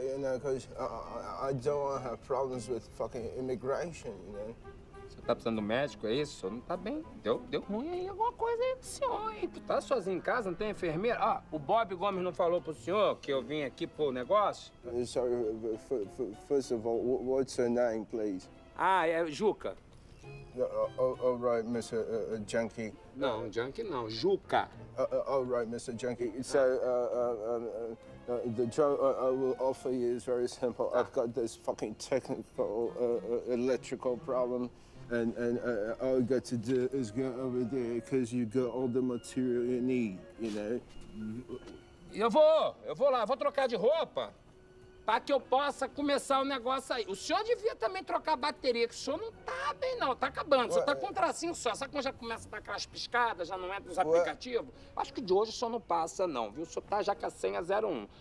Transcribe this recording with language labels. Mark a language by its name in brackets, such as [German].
[English] You know, because I don't want to have problems with fucking immigration, you know? [Portuguese] Você tá precisando de um médico, é isso? Não tá bem. Deu ruim aí alguma coisa aí pro senhor, hein? Tu tá sozinho em casa, não tem enfermeira? Ah, o Bob Gomes não falou pro senhor que eu vim aqui pro negócio? [English] Sorry, first of all, what's her name, please? [Portuguese] Ah, é Juca. [English] All right, Mr. Junkie. No, Junkie, no, Juca. All right, Mr. Junkie. So, the job I will offer you is very simple. I've got this fucking technical electrical problem, and all I got to do is go over there because you got all the material you need, you know. [Portuguese] Eu vou lá, vou trocar de roupa. Pra que eu possa começar o negócio aí. O senhor devia também trocar a bateria, que o senhor não tá bem, não. Tá acabando. O senhor tá com um tracinho só. Sabe quando já começa a dar aquelas piscadas, já não entra nos aplicativos? Acho que de hoje o senhor não passa, não, viu? O senhor tá já com a senha 01.